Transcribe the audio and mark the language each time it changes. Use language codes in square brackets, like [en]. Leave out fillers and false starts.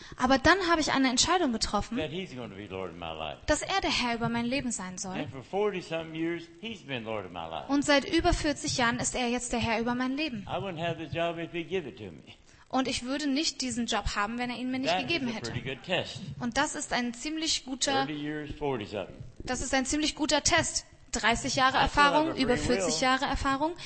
[de] aber dann habe ich eine Entscheidung getroffen, dass er der Herr über mein Leben sein soll. [en] And for 40-something years, he's been Lord of my life. [de] Und seit über 40 Jahren ist er jetzt der Herr über mein Leben. [en] I wouldn't have the job if he gave it to me. [de] Und ich würde nicht diesen Job haben, wenn er ihn mir nicht gegeben hätte. [en] That is a pretty good test. [de] Und das ist ein ziemlich guter [en] 30 years, 40-something. [de] Das ist ein ziemlich guter Test. 30 Jahre Erfahrung, über 40 Jahre Erfahrung.